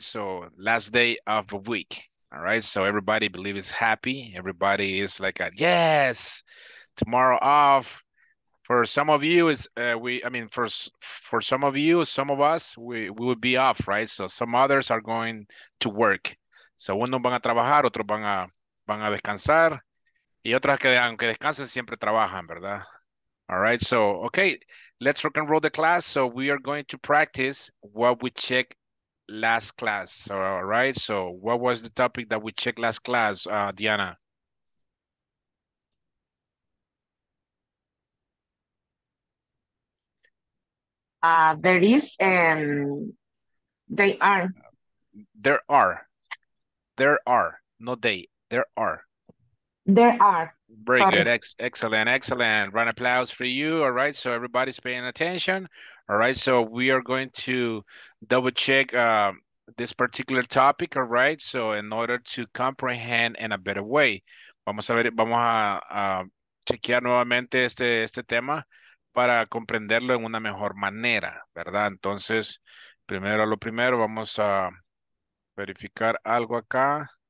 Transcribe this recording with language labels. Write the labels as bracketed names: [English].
[English] So last day of the week. All right, so everybody believe is happy. Everybody is like, yes, tomorrow off. For some of you, is for some of you, some of us, we would be off, right? So some others are going to work. [Spanish] So unos van a trabajar, otros van a descansar. Y otras que aunque descansen siempre trabajan, ¿verdad? [English] All right, so, okay, let's rock and roll the class. So we are going to practice what we checked last class. So, all right, so what was the topic that we checked last class, Diana? There is and they are. There are. There are. No, they. There are. There are. Very good. Excellent. Round of applause for you. All right. So everybody's paying attention. All right. So we are going to double check this particular topic. All right. So in order to comprehend in a better way, [Spanish] vamos a chequear nuevamente este tema para comprenderlo en una mejor manera, ¿verdad? Entonces, primero lo primero, vamos a verificar algo acá.